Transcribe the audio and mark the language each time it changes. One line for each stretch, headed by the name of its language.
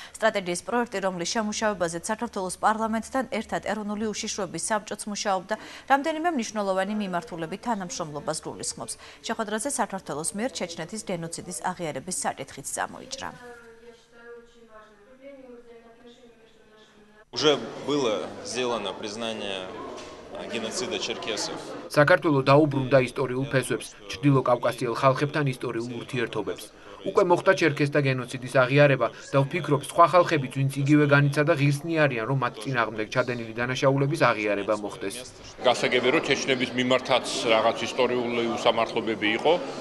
Georgian: სტრატეგიის პროექტი, რომლის შემუშავებაზეც საქართველოს პარლამენტთან ერთად ეროვნული უშიშროების საბჭოც მუშაობდა, რამდენიმე მნიშვნელოვანი მიმართულებით თანამშრომლობას გულისხმობს. შეხვედრაზე საქართველოს მიერ ჩეჩნეთის გენოციდის აღიარების საკითხიც წამოიჭრა.
Russian: Уже было сделано признание геноцида черкесов.
Georgian: საქართველო დაუბრუნდა ისტორიულ ფესვებს, ჩრდილო კავკასიელ ხალხებთან ისტორიულ ურთიერთობებს. უკვე მოხდა черкеსთა геноციდის აღიარება და ვფიქრობ, სხვა ხალხებიც, ვინც იგივე განიცადა, ღირსნი არიან, რომ მათ წინააღმდეგ ჩადენილი დანაშაულების აღიარება მოხდეს. გასაგები რომ ჩეჩნების მიმართაც რაღაც ისტორიული უსამართლობები იყო.